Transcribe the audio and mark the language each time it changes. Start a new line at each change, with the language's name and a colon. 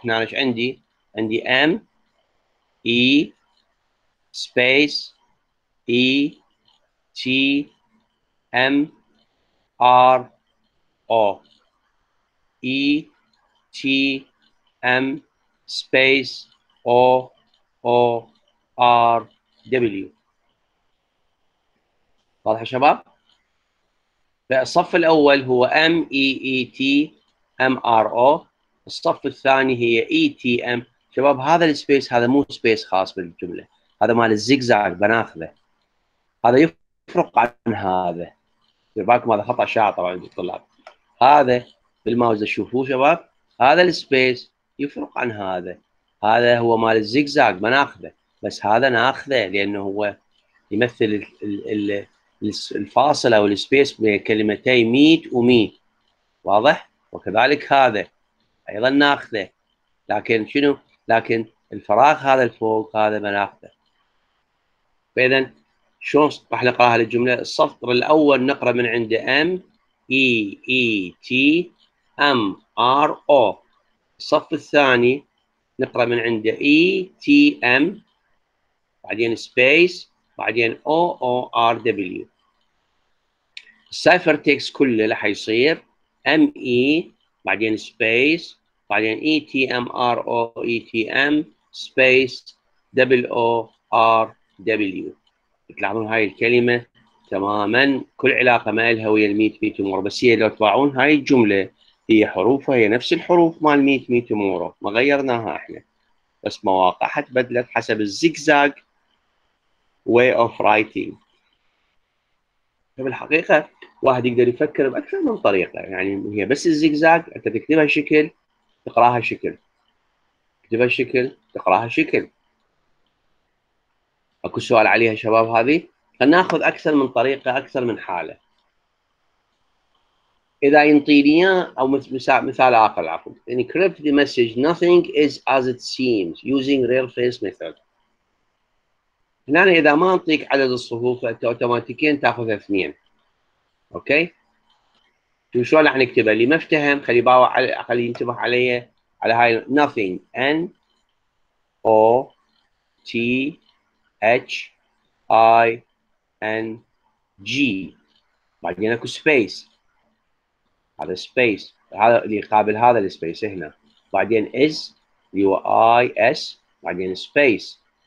Arabic: هنا ايش عندي؟ عندي ام اي سبيس اي تي ام R O E T M space O O R W. واضح يا شباب؟ الصف الأول هو M E E T M R O، الصف الثاني هي E T M. شباب هذا السبيس هذا مو سبيس خاص بالجملة، هذا مال الزيجزاج بناخذه، هذا يفرق عن هذا. يبقىكم هذا خطأ شائع طبعا عند الطلاب. هذا بالماوس تشوفوه شباب، هذا السبيس يفرق عن هذا، هذا هو مال الزيجزاج ما ناخذه، بس هذا ناخذه لانه هو يمثل الفاصله او السبيس بين كلمتين ميت وميت، واضح؟ وكذلك هذا ايضا ناخذه، لكن شنو؟ لكن الفراغ هذا الفوق هذا ما ناخذه. فاذا شلون راح نقراها للجملة؟ السطر الأول نقرأ من عند M E E T M R O، الصف الثاني نقرأ من عند E T M بعدين space بعدين O O R W. السايفر تيكس كله راح يصير M E بعدين space بعدين E T M R O E T M space double O R W. تلاحظون هاي الكلمة تماما كل علاقة ما لها ويا الميت ميت مورو، بس هي لو تطبعون هاي الجملة هي حروفها هي نفس الحروف مال ميت ميت مورو، ما غيرناها احنا، بس مواقعها تبدلت حسب الزيجزاج
English: way of writing.
Arabic: فبالحقيقة واحد يقدر يفكر بأكثر من طريقة، يعني هي بس الزيجزاج، انت تكتبها شكل تقراها شكل، تكتبها شكل تقراها شكل. اكو سؤال عليها شباب هذه؟ خلينا ناخذ اكثر من طريقه اكثر من حاله. اذا ينطيني او مثال اخر عفوا.
English: Encrypt the message nothing is as it seems using real face method.
Arabic: هنا اذا ما انطيك عدد الصفوف انت اوتوماتيكيا تاخذ اثنين. اوكي؟ شلون راح نكتبها؟ اللي ما افتهم خلي باوع خلي ينتبه علي على هاي nothing N O T H I N G بعدين اكو سبيس، هذا سبيس هذا اللي يقابل هذا السبيس هنا، بعدين is اللي هو I S بعدين سبيس